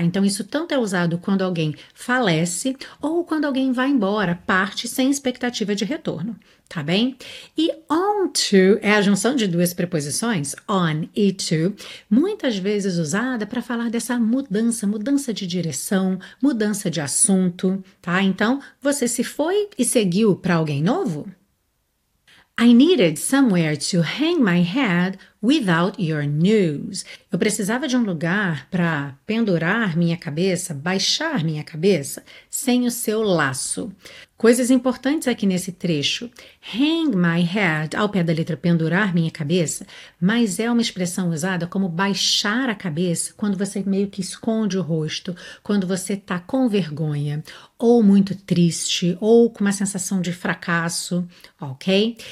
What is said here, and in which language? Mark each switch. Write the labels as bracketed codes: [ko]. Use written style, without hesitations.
[pt] Então, isso tanto é usado quando alguém falece ou quando alguém vai embora, parte sem expectativa de retorno, tá bem? E on to é a junção de duas preposições, on e to, muitas vezes usada para falar dessa mudança, mudança de direção, mudança de assunto, tá? Então, você se foi e seguiu para alguém novo? [en] I needed somewhere to hang my head without your news. [pt] Eu precisava de um lugar para pendurar minha cabeça, baixar minha cabeça, sem o seu laço. Coisas importantes aqui nesse trecho. Hang my head, ao pé da letra pendurar minha cabeça, mas é uma expressão usada como baixar a cabeça quando você meio que esconde o rosto, quando você está com vergonha, ou muito triste, ou com uma sensação de fracasso, ok?